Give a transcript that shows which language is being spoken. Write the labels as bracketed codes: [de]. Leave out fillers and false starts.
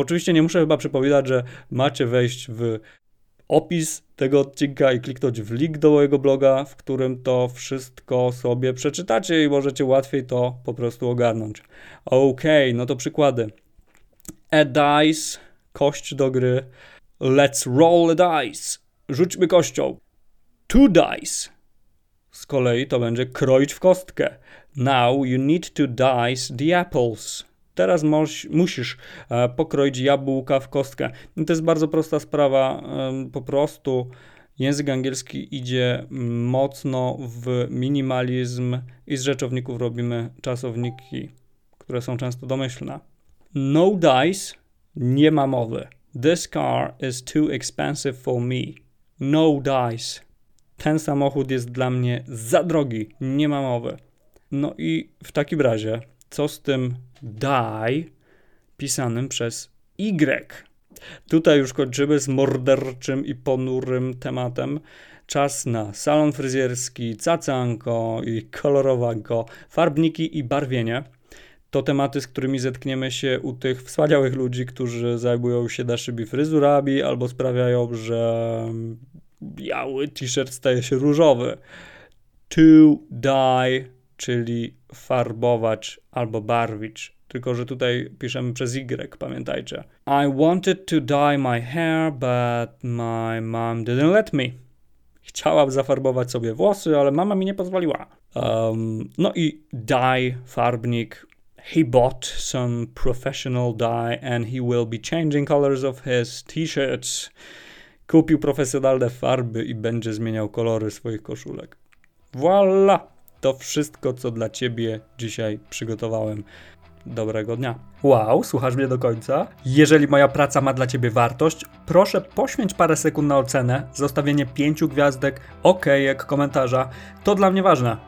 [pl] Oczywiście nie muszę chyba przypominać, że macie wejść w opis tego odcinka i kliknąć w link do mojego bloga, w którym to wszystko sobie przeczytacie i możecie łatwiej to po prostu ogarnąć. Okej, no to przykłady. A dice, kość do gry. [en] Let's roll a dice, [pl] rzućmy kością. Two dice, z kolei to będzie kroić w kostkę. [en] Now you need to dice the apples. [pl] Teraz musisz pokroić jabłka w kostkę. I to jest bardzo prosta sprawa. Po prostu język angielski idzie mocno w minimalizm i z rzeczowników robimy czasowniki, które są często domyślne. [en] No dice, [pl] nie ma mowy. [en] This car is too expensive for me. No dice. [pl] Ten samochód jest dla mnie za drogi. Nie ma mowy. No i w takim razie, co z tym die pisanym przez Y? Tutaj już kończymy z morderczym i ponurym tematem. Czas na salon fryzjerski, cacanko i kolorowanko, farbniki i barwienie. To tematy, z którymi zetkniemy się u tych wspaniałych ludzi, którzy zajmują się naszymi fryzurami albo sprawiają, że biały t-shirt staje się różowy. To die, czyli farbować albo barwić. Tylko, że tutaj piszemy przez Y, pamiętajcie. [en] I wanted to dye my hair, but my mom didn't let me. [pl] Chciałam zafarbować sobie włosy, ale mama mi nie pozwoliła. No i dye, farbnik. [en] He bought some professional dye and he will be changing colors of his t-shirts. [pl] Kupił profesjonalne farby i będzie zmieniał kolory swoich koszulek. Voilà! To wszystko, co dla Ciebie dzisiaj przygotowałem. Dobrego dnia. Wow, słuchasz mnie do końca? Jeżeli moja praca ma dla Ciebie wartość, proszę poświęć parę sekund na ocenę, zostawienie 5 gwiazdek, okejek, komentarza. To dla mnie ważne.